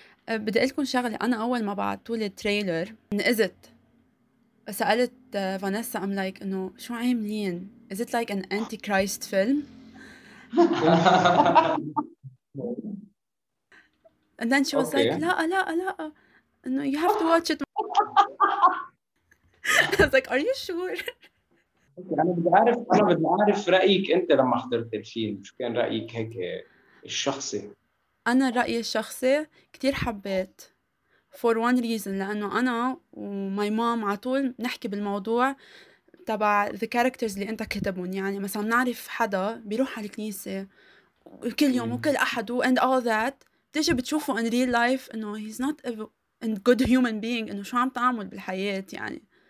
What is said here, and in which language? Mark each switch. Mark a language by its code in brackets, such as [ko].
[ar] بدي أقولكم شغلة أنا أول ما بعتوا لي تريلر نقزت سألت فانيسا [en] I'm like [ar] إنه شو عاملين [en] is it like an antichrist film and then she was okay. like la no you have to watch it I was like are you sure [ar] انا بدي اعرف انا بدي اعرف رايك انت لما حضرت الفيلم شو كان رايك هيك الشخصي انا رايي الشخصي كثير حبيت [en] for one reason [ar] لانه انا وماي مام على طول نحكي بالموضوع تبع [en] the characters [ar] اللي انت كتبهم يعني مثلا نعرف حدا بيروح على الكنيسة كل يوم وكل أحد و [en] and all that [ar] تيجي بتشوفه [en] in real life [ar] انه [en] he's not a good human being [ar] انه شو عم تعمل بالحياة يعني